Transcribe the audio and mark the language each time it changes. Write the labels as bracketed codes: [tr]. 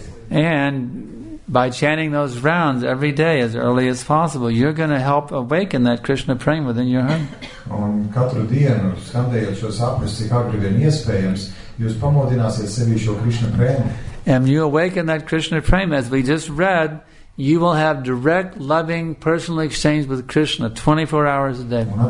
[en] And by chanting those rounds every day as early as possible, you're going to help awaken that Krishna prema within your heart. [lv] Un katru dienu, skandējot šo sapni, cik agri vien iespējams, jūs pamodināsiet sevi šo Krishna prema. [en] And you awaken that Krishna prema, as we just read, you will have direct, loving, personal exchange with Krishna 24 hours a day.